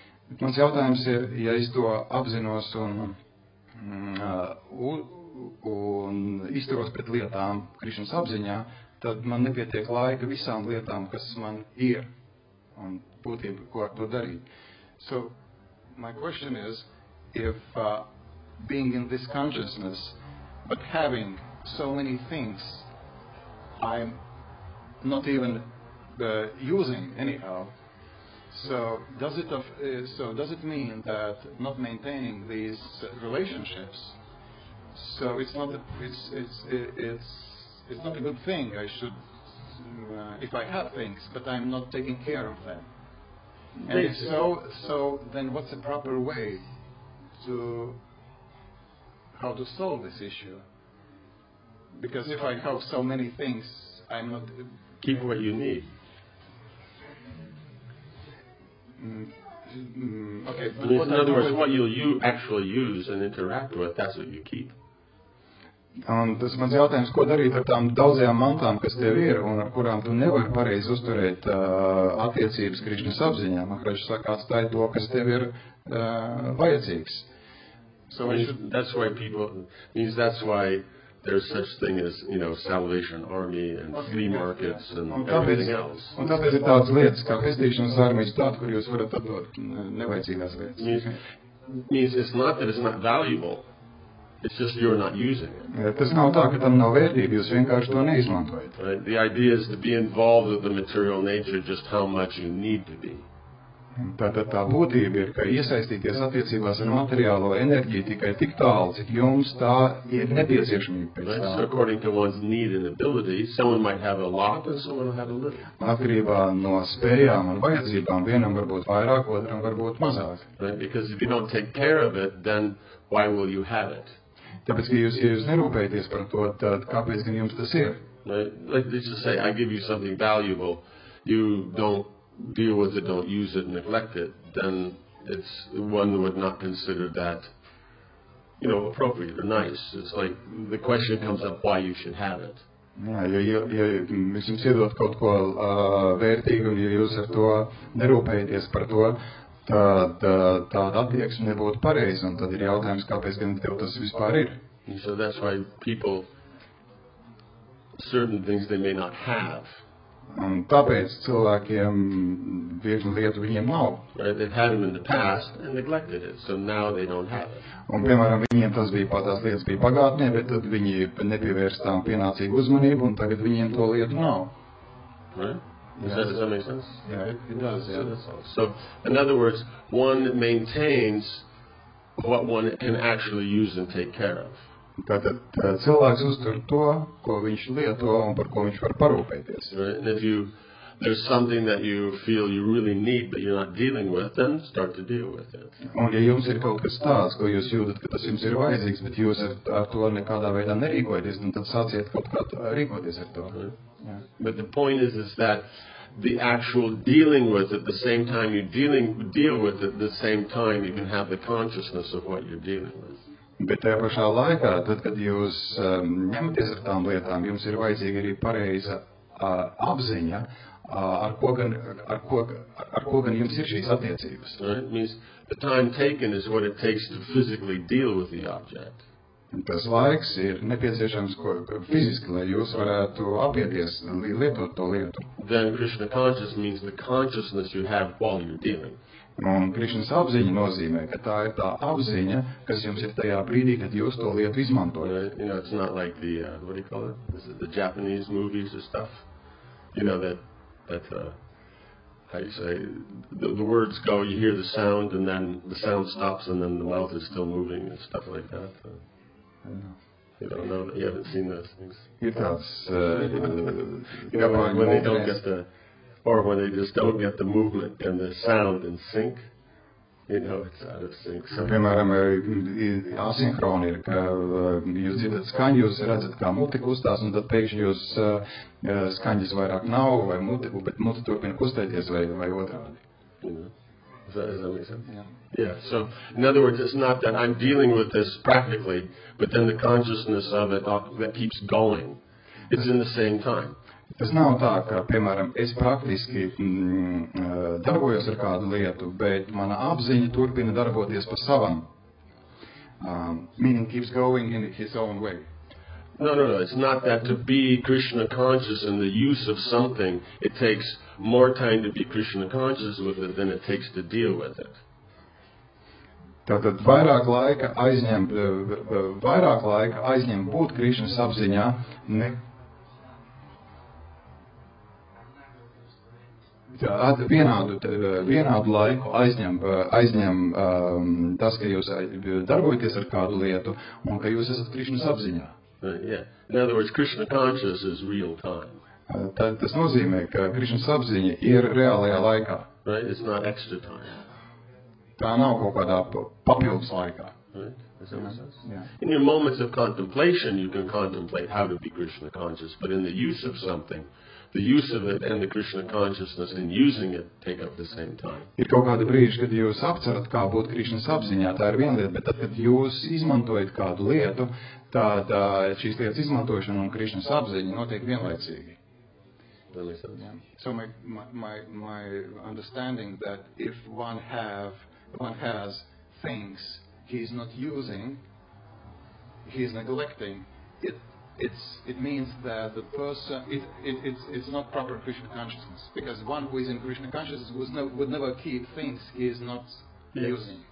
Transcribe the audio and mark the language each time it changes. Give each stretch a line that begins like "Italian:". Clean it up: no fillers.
Latvian: Bet mans jautājums ir, ja es to apzinos un izturos pret lietām Krišnas apziņā, tad man nepietiek laika visām lietām, kas man ir, un būtība, ko ar to darīt.
English: So, my question is, if being in this consciousness, but having so many things, I'm not even using anyhow, so does it mean that not maintaining these relationships, so it's not a good thing, I should, if I have things, but I'm not taking care of them. And if so then what's the proper way to how to solve this issue? Because if I have so many things, I'm not keep what you need. Okay, but in other words, what you'll actually use and interact with, that's what you keep.
Latvian: Un tas mans jautājums, ko darīt ar tām daudzajām mantām, kas tev ir, un ar kurām tu nevar pareizi uzturēt attiecības Krišnas apziņā. Mahariša saka, atstāj to, kas tev ir vajadzīgs.
English: So that's why there's such thing as, you know, Salvation Army and flea markets and everything else.
Latvian: Un tāpēc ir tādas lietas, kā pestīšanas armijas tāda, kur jūs varat atdot nevajadzīgās lietas.
English: Means it's not that it's not valuable. It's just you're not using it.
Latvian: Tas nav tā, ka tam nav vērtība, jūs vienkārši to neizmantojat.
English: The idea is to be involved with the material nature, just how much you need to be.
Latvian: Tātad tā būtība ir, ka iesaistīties attiecībās ar materiālo enerģiju tikai tik tālu, cik jums tā ir nepieciešamība pēc tā.
English: According to one's need and ability, someone might have a lot and someone might have a little.
Latvian: Atkarībā no spējām un vajadzībām, vienam varbūt vairāk, otram varbūt mazāk.
English: Because if you don't take care of it, then why will you have it?
Latvian: Tāpēc, ka jūs nerūpējaties par to, tad kāpēc gan jums tas ir?
English: Let's just say, I give you something valuable, you don't deal with it, don't use it, neglect it, then it's one would not consider that, you know, appropriate or nice. It's like the question comes up why you should have it.
Latvian: Ja mēs jums iedot kaut ko vērtīgu, un ja jūs ar to nerūpējaties par to, tad attieksme nebūtu pareiza, un tad ir jautājums, kāpēc gan tev tas vispār ir.
English: So that's why people, certain things they may not have.
Latvian: Un tāpēc cilvēkiem bieži lietu viņiem nav.
English: They've had them in the past and neglected it, so now they don't have it.
Latvian: Un, piemēram, viņiem tas bija, tās lietas bija pagātnē, bet tad viņi nepievērst tām pienācīgu uzmanību, un tagad viņiem to lietu nav.
English: Right? Yes. Does that make sense? Yeah, it does, yeah. So, in other words, one maintains what one can actually use and take care of.
Latvian: Tātad cilvēks uztur to, ko viņš lieto un par ko viņš var parūpēties.
English: Right? If you, there's something that you feel you really need, but you're not dealing with, then start to deal with it.
Latvian: Un ja jums ir kaut kas tāds, ko jūs jūtat, ka tas jums ir vajadzīgs, bet jūs ar to nekādā veidā nerīkojaties, tad sāciet kaut kā rīkoties ar to.
English: Right? Yeah. But the point is that the actual dealing with it, the same time you deal with it, the same time you can have the consciousness of what you're dealing with.
Latvian: Bet tajā pašā laikā, tad, kad jūs ņematies ar tām lietām, jums ir vajadzīga arī pareiza apziņa, ar ko gan jums ir šīs attiecības.
English: Right? It means the time taken is what it takes to physically deal with the object.
Latvian: Tas laiks ir nepieciešams ko, fiziski, lai jūs varētu apieties lietot to lietu.
English: Then Krishna conscious means the consciousness you have while you're dealing.
Latvian: Un Krišnas apziņa nozīmē, ka tā ir tā apziņa, kas jums ir tajā brīdī, kad jūs to lietu izmantojat.
English: You know, it's not like the, what do you call it? This is the Japanese movies or stuff. You know, how you say, the words go, you hear the sound, and then the sound stops, and then the mouth is still moving, and stuff like that. I don't know. You don't know, you haven't seen those things. It does. when they don't get the... Or when they just don't get the movement and the sound in sync, you know, it's out of sync. So,
Latvian: piemēram, asinhroni ir, ka jūs dzirdat skaņu, jūs redzat, kā muti kustās, un tad pēkšņi jūs skaņas vairāk nav, vai muti, bet muti turpina kustēties, vai otrādi.
English: Yeah, so, in other words, it's not that I'm dealing with this practically, but then the consciousness of it that keeps going, it's in the same time.
Latvian: Tas nav tā, ka, piemēram, es praktiski darbojos ar kādu lietu, bet mana apziņa turpina darboties pa savam.
English: Meaning keeps going in his own way. No, it's not that to be Krishna conscious in the use of something, it takes more time to be Krishna conscious with it than it takes to deal with it.
Latvian: Tātad vairāk laika aizņem būt Krišnas apziņā, ne... Vienādu laiku aizņem tas, ka jūs darbojaties ar kādu lietu un ka jūs esat Krišnas apziņā.
English: Yeah. In other words, Krishna consciousness is real time.
Latvian: Tas nozīmē, ka Krišnas apziņa ir reālajā laikā.
English: Right? It's not extra time.
Latvian: Tā nav kaut kādā papildus laikā.
English: Right? In your moments of contemplation, you can contemplate how to be Krishna conscious, but in the use of something, the use of it and the Krishna consciousness in using it take up the same time.
Latvian: Ir kaut kādi brīži, kad jūs apcerat, kā būt Krišnas apziņā, tā ir viena lieta, bet tad, kad jūs izmantojat kādu lietu, tad šīs lietas izmantošana un Krišnas apziņa notiek vienlaicīgi.
English: Yeah. So my understanding that if one has things he's not using, he's neglecting it. It means that the person it's not proper Krishna consciousness, because one who is in Krishna consciousness would never keep things he is not using.